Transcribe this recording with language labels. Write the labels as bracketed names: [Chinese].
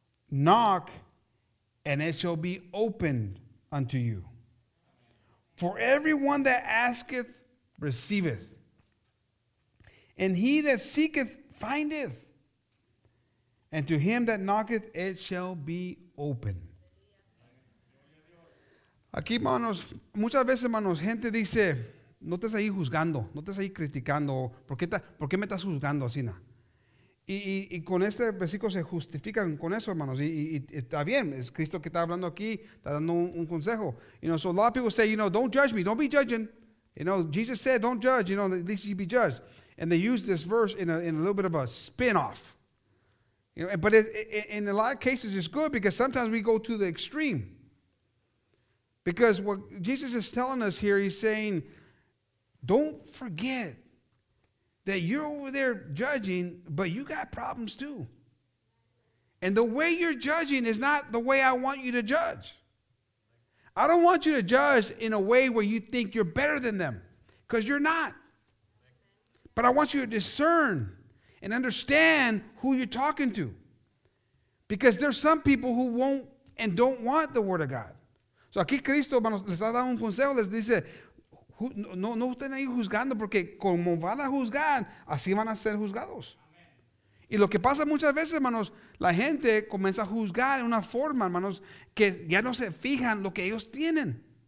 [English] Knock, and it shall be opened unto you. For everyone that asketh, receiveth. And he that seeketh, findeth. And to him that knocketh, it shall be open." [Spanish] Aquí, hermanos, muchas veces, hermanos, gente dice, no estás ahí juzgando, no estás ahí criticando, ¿por qué me estás juzgando así, na? Y con este versículo se justifican con eso, hermanos, y está bien, es Cristo que está hablando aquí, está dando un consejo. [English] You know, so a lot of people say, you know, don't judge me, don't be judging. You know, Jesus said, don't judge, you know, at least you be judged. And they use this verse in a little bit of a spin-off. You know, but in a lot of cases, it's good because sometimes we go to the extreme. Because what Jesus is telling us here, he's saying, don't forget that you're over there judging, but you got problems too. And the way you're judging is not the way I want you to judge. I don't want you to judge in a way where you think you're better than them, because you're not. But I want you to discern and understand who you're talking to. Because there's some people who won't and don't want the word of God. [Spanish] So aquí Cristo, hermanos, les ha dado un consejo, les dice, no estén ahí juzgando, porque como van a juzgar, así van a ser juzgados. Amen. Y lo que pasa muchas veces, hermanos, la gente comienza a juzgar en una forma, hermanos, que ya no se fijan lo que ellos tienen.